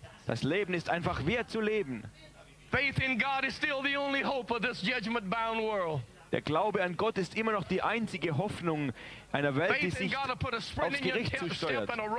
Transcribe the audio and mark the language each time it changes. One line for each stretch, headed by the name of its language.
German: Das Leben ist einfach wert zu leben.
English: Faith in God is still the only hope of this judgment-bound world.
German: Der Glaube an Gott ist immer noch die einzige Hoffnung einer Welt, die sich aufs Gericht zusteuert.